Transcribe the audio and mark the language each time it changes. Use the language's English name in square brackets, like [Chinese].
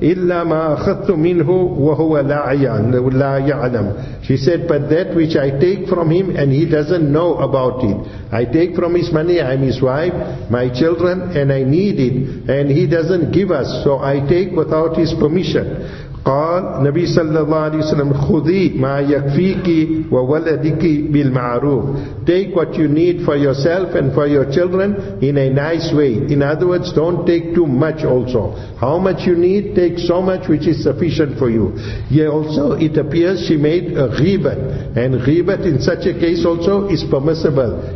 [Arabic] إِلَّا مَا أَخَذْتُ مِنْهُ وَهُوَ لَا يَعْلَمْ. [English] She said, but that which I take from him and he doesn't know about it. I take from his money, I'm his wife, my children, and I need it, and he doesn't give us, so I take without his permission. [Arabic] قال نبي صلى الله عليه وسلم خذي ما يكفيك وولدك بالمعروف. [English] Take what you need for yourself and for your children in a nice way. In other words, don't take too much also. How much you need, take so much which is sufficient for you. Yeah, also it appears she made a ghibat. And ghibat in such a case also is permissible.